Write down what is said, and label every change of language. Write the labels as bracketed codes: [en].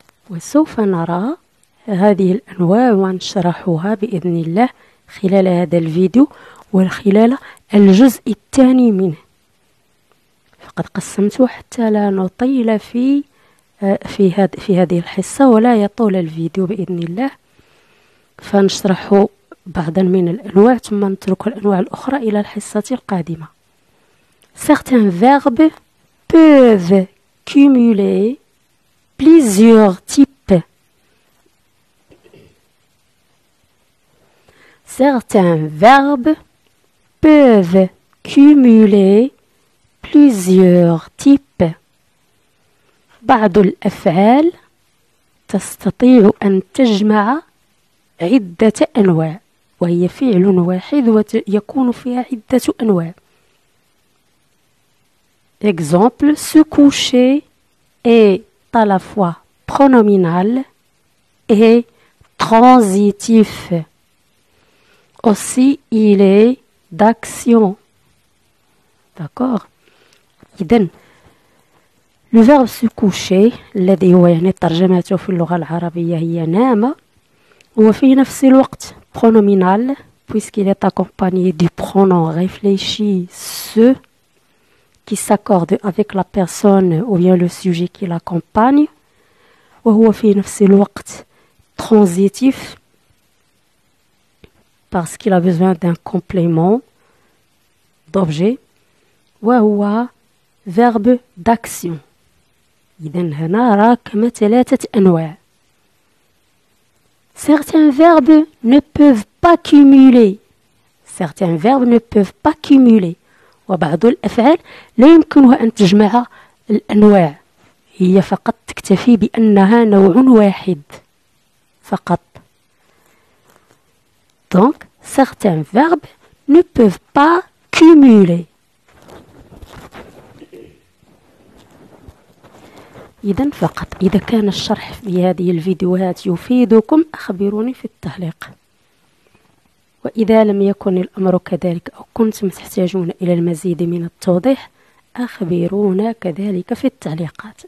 [ar] وسوف نرى هذه الأنواع ونشرحها بإذن الله خلال هذا الفيديو وخلال الجزء الثاني منه. فقد قسمت حتى لا نطيل في هذه الحصة ولا يطول الفيديو بإذن الله، فنشرح بعضا من الأنواع ثم نترك الأنواع الأخرى إلى الحصة القادمة. [fr] Certains verbes peuvent cumuler plusieurs types. Certains verbes peuvent cumuler plusieurs types. [ar] بعض الأفعال تستطيع أن تجمع عدة أنواع، وهي فعل واحد ويكون فيها عدة أنواع. [fr] Exemple: se coucher et à la fois pronominal et transitif. Aussi, il est d'action. D'accord. Iden. Le verbe se coucher, [ar] الذي هو يعني ترجمته في اللغة العربية هي نام، هو في نفس الوقت [fr] pronominal puisqu'il est accompagné du pronom réfléchi se qui s'accorde avec la personne ou bien le sujet qui l'accompagne. [ar] وهو في نفس الوقت [fr] transitif parce qu'il a besoin d'un complément d'objet [ar] وهو [fr] verbe d'action. [ar] إذن هنا راكم ثلاثة أنواع. [fr] Certains verbes ne peuvent pas cumuler. Certains verbes ne peuvent pas cumuler. [ar] وبعض الأفعال لا يمكنها أن تجمع الأنواع. هي فقط تكتفي بأنها نوع واحد فقط. [fr] Donc, certains verbes ne peuvent pas cumuler. [ar] إذن فقط إذا كان الشرح في هذه الفيديوهات يفيدكم أخبروني في التعليق، وإذا لم يكن الأمر كذلك أو كنتم تحتاجون إلى المزيد من التوضيح أخبرونا كذلك في التعليقات.